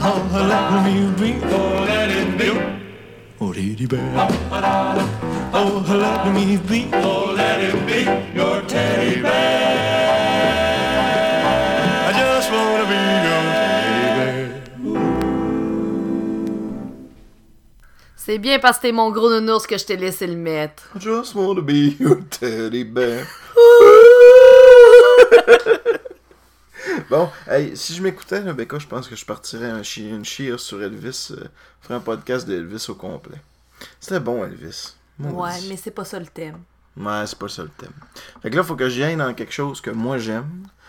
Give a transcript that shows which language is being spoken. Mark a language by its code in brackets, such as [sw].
[en] Oh, let me be. Oh, let it be. Oh, teddy bear. Oh, let me be. Oh, let him be your teddy bear. I just wanna be your teddy bear. [fr] C'est bien parce que t'es mon gros nounours que je t'ai laissé le mettre. [en] I just wanna be your teddy bear. [fr] Bon, hey, si je m'écoutais, là, Becca, je pense que je partirais une chire sur Elvis. Ferais un podcast de Elvis au complet. C'était bon, Elvis. Maudit. Ouais, mais c'est pas ça le thème. Ouais, c'est pas ça le thème. Fait que là, faut que j'y aille dans quelque chose que moi j'aime.